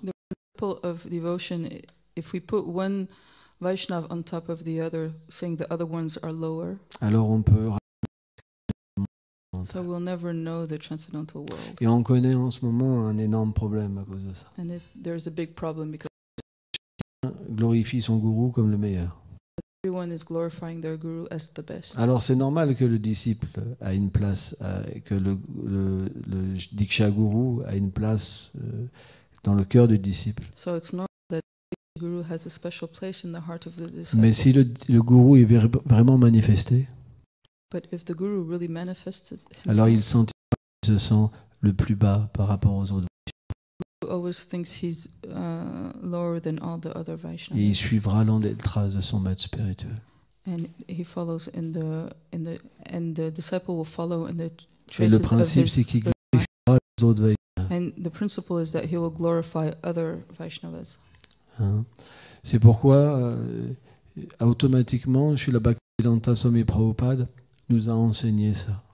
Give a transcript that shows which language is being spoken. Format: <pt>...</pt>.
<en>The principle of devotion, if we put one Vaishnav on top of the other, saying the other ones are lower.</en> <fr>Alors on peut.</fr> <en>So we'll never know the transcendental world.</en> <fr>Et on connaît en ce moment un énorme problème à cause de ça.</fr> <en>And there's a big problem because.</en> <fr>Chacun glorifie son gourou comme le meilleur.</fr> <en>Everyone is glorifying their guru as the best.</en> <fr>Alors c'est normal que le disciple a une place, que le diksha guru a une place dans le cœur du disciple.</fr> <en>So it's normal. Guru has a special place in the heart of the disciple. Mais si le guru est vraiment manifesté, but if the guru really manifests himself,</en> <fr>alors il se sent le plus bas par rapport aux autres</fr> <en>Vaishnavas. Always thinks he's lower than all the other Vaishnavas.</en> <fr>Et il suivra les traces de son maître spirituel.</fr> <en>And he follows and the disciple will follow in the</en> <fr>traces le principe,</fr> <en>of his</en> <fr>c'est qu'il glorifiera les autres Vaishnavas.</fr> <en>And the principle is that he will glorify other Vaishnavas.</en> <fr>C'est pourquoi automatiquement Srila Bhaktivedanta Swami Prabhupada nous a enseigné ça.</fr>